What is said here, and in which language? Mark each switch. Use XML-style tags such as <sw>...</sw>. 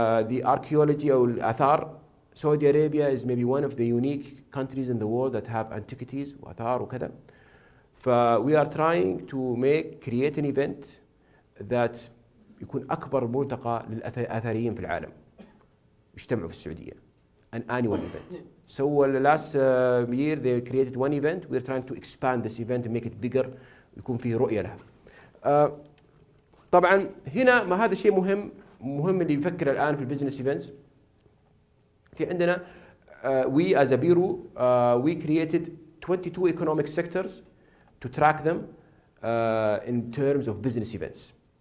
<en>The archaeology</en> <ar>أو الآثار،</ar> <en>Saudi Arabia is maybe one of the unique countries in the world that have antiquities</en> <ar>وآثار وكذا.</ar> <en>فwe are trying to make create an event that</en> <ar>يكون أكبر ملتقى للأثريين في العالم يجتمعوا في السعودية.</ar> <en>An annual event. So last year they created one event. We're trying to expand this event and make it bigger.</en> <ar>يكون فيه رؤية لها. طبعا هنا ما هذا شيء مهم، مهم اللي يفكر الآن في البيزنس إيفنتس. في عندنا</ar> <en>we as a bureau we created 22 economic sectors to track them in terms of business events.</en>